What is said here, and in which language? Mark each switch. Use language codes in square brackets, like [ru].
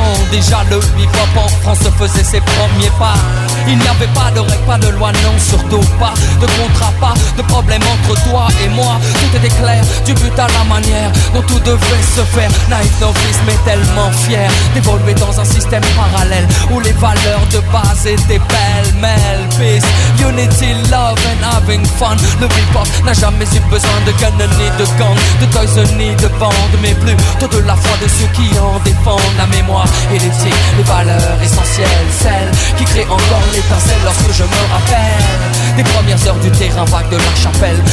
[fr] Déjà le hip-hop en France faisait ses premiers pas. Il n'y avait pas de règles, pas de loi, non, surtout pas de contrat, pas de problème entre toi et moi. Tout était clair, du but à la manière dont tout devait se faire. Naïf novice mais tellement fier d'évoluer dans un système parallèle où les valeurs de base étaient pêle-mêle. [en] Peace, unity, love and having fun. [fr] Le hip-hop n'a jamais eu besoin de guns ni de gants, de toys ni de bandes, mais plus tôt de la foi de ceux qui en défendent la mémoire et l'éthique, les valeurs essentielles, celles qui créent encore l'étincelle lorsque je me rappelle des premières heures du terrain vague de la chapelle.